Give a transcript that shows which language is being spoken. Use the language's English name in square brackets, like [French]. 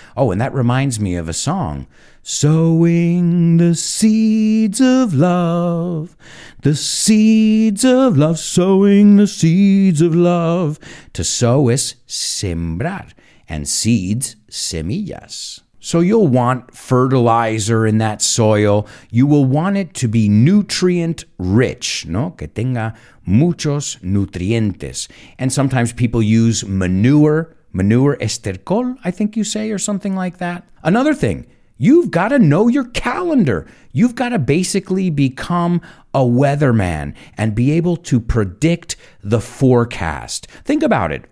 [English] Oh, and that reminds me of a song. Sowing the seeds of love, the seeds of love, sowing the seeds of love. To sow is [Spanish] sembrar, [English] and seeds, [Spanish] semillas. [English] So you'll want fertilizer in that soil. You will want it to be nutrient rich, ¿no? [Spanish] Que tenga muchos nutrientes. [English] And sometimes people use manure [Spanish] estercol, [English] I think you say, or something like that. Another thing, you've got to know your calendar. You've got to basically become a weatherman and be able to predict the forecast. Think about it.